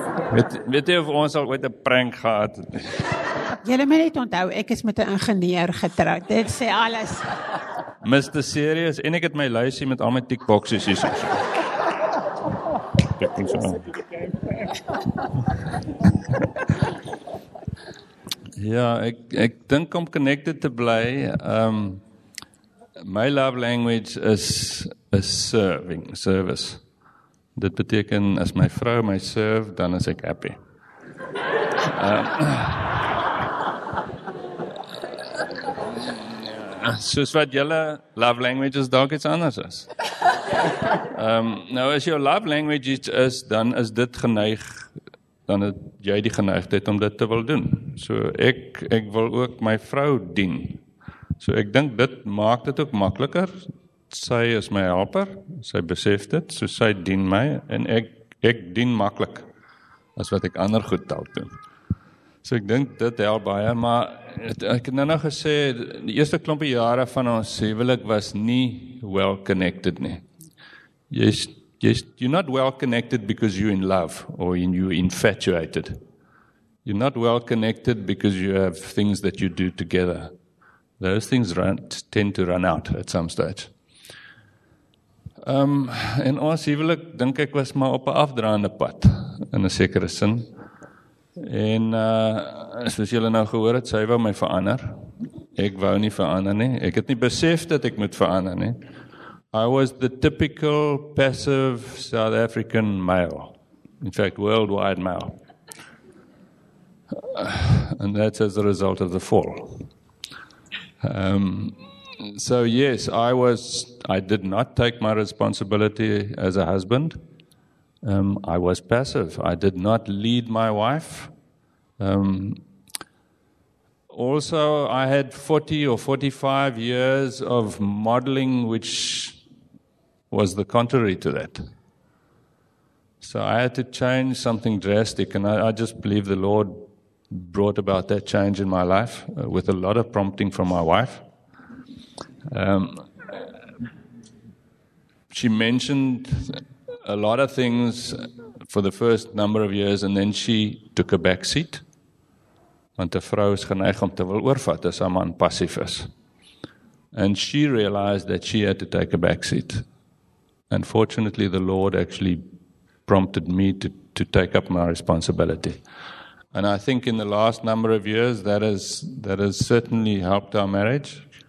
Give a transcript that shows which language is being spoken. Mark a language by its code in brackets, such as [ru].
[af] weet jy of ons al ooit 'n prank gehad het? Julle moet net onthou, ek is met 'n ingenieur getroud. Dit sê alles. [en] Mr. [af] Serious, en ek het my lysie met al my tikboksies hier. Ek dink so. Ja, ek dink om connected te bly, [en] my love language is serving, service. [af] Dit beteken, as my vrou my serve, dan is ek happy. soos wat julle love language is, dalk iets anders is. As jou love language iets is, dan is dit geneig, dan het jy die geneigtheid om dit te wil doen. So ek wil ook my vrou dien. So ek dink dit maak dit ook makliker. Sy is my helper, sy besef dit, so sy dien my, en ek dien maklik as wat ek ander goed dalk doen. So ek dink dit help baie, maar ek het nou gesê, die eerste klompe jare van ons huwelik was nie [en] well connected [af] nie. [en] You're not well connected because you're in love or you're infatuated. You're not well connected because you have things that you do together. Those things tend to run out at some stage. [af] En ons huwelik, dink ek, was maar op 'n afdraande pad, in 'n sekere sin. En soos julle nou gehoor het, sy wou my verander. Ek wou nie verander nie. Ek het nie besef dat ek moet verander nie. [en] I was the typical passive South African male. In fact, worldwide male. And that's as a result of the fall. I did not take my responsibility as a husband. I was passive. I did not lead my wife. Also, I had 40 or 45 years of modeling, which was the contrary to that. So I had to change something drastic, and I just believe the Lord brought about that change in my life with a lot of prompting from my wife. She mentioned a lot of things for the first number of years, and then she took a back seat. [af] Want 'n vrou is geneig om te wil oorvat as 'n man passief is. [en] And she realized that she had to take a back seat. And fortunately, the Lord actually prompted me to take up my responsibility. And I think in the last number of years, that has certainly helped our marriage.